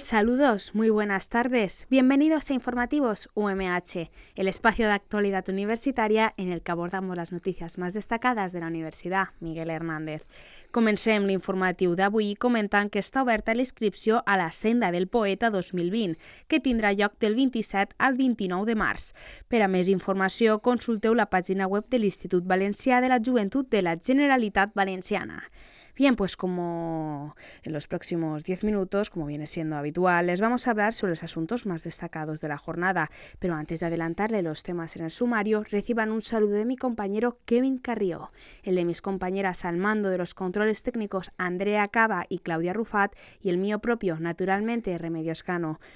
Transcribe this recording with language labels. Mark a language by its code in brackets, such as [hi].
[es] Saludos, muy buenas tardes. Bienvenidos a Informativos UMH, el espacio de actualidad universitaria en el que abordamos las noticias más destacadas de la Universidad Miguel Hernández. [ca] Comencem l'informatiu d'avui comentant que està oberta l'inscripció a la Senda del Poeta 2020, que tindrà lloc del 27 al 29 de març. Per a més informació, consulteu la pàgina web de l'Institut Valencià de la Joventut de la Generalitat Valenciana. [es] Bien, pues como en los próximos 10 minutos, como viene siendo habitual, les vamos a hablar sobre los asuntos más destacados de la jornada. Pero antes de adelantarle los temas en el sumario, reciban un saludo de mi compañero Kevin Carrió, el de mis compañeras al mando de los controles técnicos Andrea Cava y Claudia Rufat, y el mío propio, naturalmente, Remedios Cano.